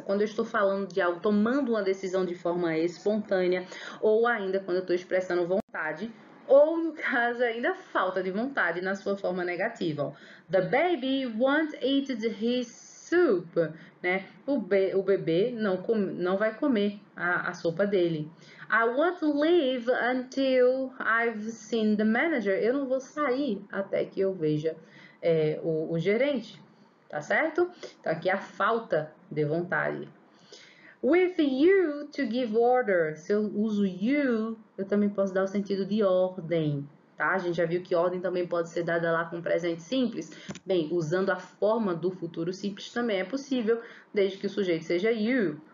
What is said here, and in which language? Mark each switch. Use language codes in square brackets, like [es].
[pt] Quando eu estou falando de algo, tomando uma decisão de forma espontânea, ou ainda quando eu estou expressando vontade, ou no caso, ainda falta de vontade na sua forma negativa. [en] The baby won't eat his soup, né? [pt] O bebê não come, não vai comer a sopa dele. [en] I won't leave until I've seen the manager. [pt] Eu não vou sair até que eu veja o gerente. Tá certo? Então aqui é a falta de vontade. [en] With you to give order. [pt] Se eu uso you, eu também posso dar o sentido de ordem. Tá? A gente já viu que ordem também pode ser dada lá com presente simples. Bem, usando a forma do futuro simples também é possível, desde que o sujeito seja you.